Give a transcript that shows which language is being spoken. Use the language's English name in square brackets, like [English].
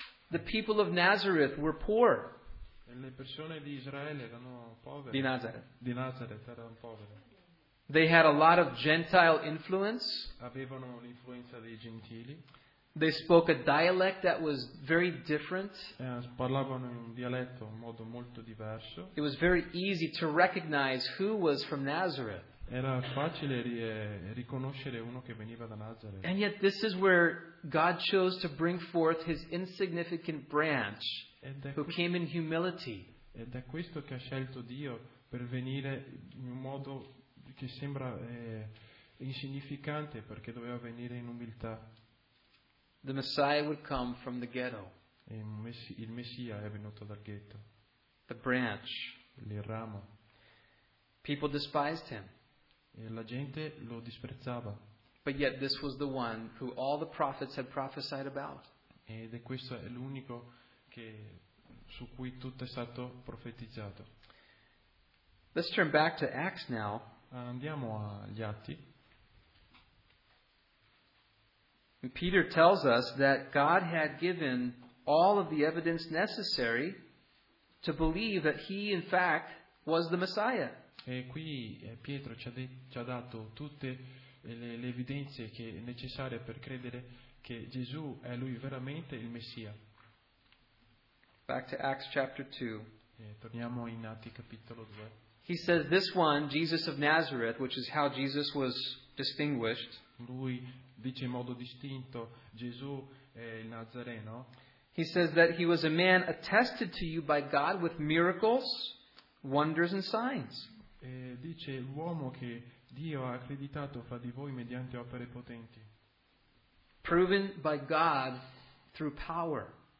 [English] The people of Nazareth were poor. [Italian] Le persone di Israele erano povere. Di Nazareth erano povere. [English] They had a lot of Gentile influence. [Italian] Avevano l'influenza dei gentili. [English] They spoke a dialect that was very different. [Italian] Parlavano in un dialetto in modo molto diverso. [English] It was very easy to recognize who was from Nazareth. [Italian] Era facile riconoscere uno che veniva da Nazareth. [English] And yet this is where God chose to bring forth his insignificant branch who came in humility. [Italian] Ed è questo che ha scelto Dio per venire in un modo che sembra insignificante, perché doveva venire in umiltà. [English] The Messiah would come from the ghetto. [Italian] Il Messia è venuto dal ghetto. [English] The branch. [Italian] Il ramo. [English] People despised him. [Italian] E la gente lo disprezzava. [English] But yet this was the one who all the prophets had prophesied about. [Italian] Ed è questo è l'unico che su cui tutto è stato profetizzato. [English] Let's turn back to Acts now. [Italian] Andiamo agli Atti. [English] And Peter tells us that God had given all of the evidence necessary to believe that he in fact was the Messiah. [Italian] E qui Pietro ci ha dato tutte le evidenze che necessarie per credere che Gesù è lui veramente il Messia. [English] Back to Acts chapter 2. [Italian] E torniamo in Atti capitolo 2. [English] He says this one, Jesus of Nazareth, which is how Jesus was distinguished. [Italian] Lui dice in modo distinto, Gesù è il Nazareno. [English] He says that he was a man attested to you by God with miracles, wonders and signs. [Italian] E dice l'uomo che Dio ha accreditato fra di voi mediante opere potenti. [English] Proven by God through power.